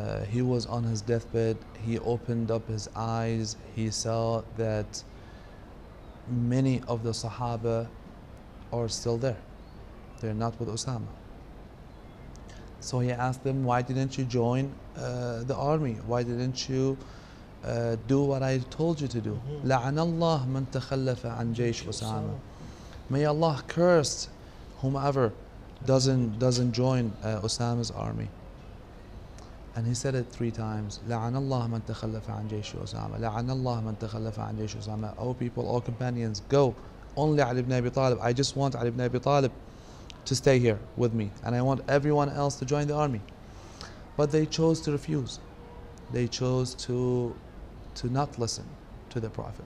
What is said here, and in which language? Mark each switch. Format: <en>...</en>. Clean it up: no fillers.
<en>He was on his deathbed, he opened up his eyes, he saw that many of the Sahaba are still there. They're not with Osama. So he asked them, why didn't you join the army? Why didn't you do what I told you to do?</en> <ar>لعن الله من تخلف عن جيش أسامة.</ar> <en>May Allah curse whomever doesn't join Osama's army. And he said it three times.</en> <ar>لعن الله من تخلف عن جيش أسامة. لعن الله من تخلف عن جيش أسامة.</ar> <en>Oh people, all companions, go. Only Ali ibn Abi Talib. I just want Ali ibn Abi Talib to stay here with me. And I want everyone else to join the army. But they chose to refuse. They chose to not listen to the Prophet.</en>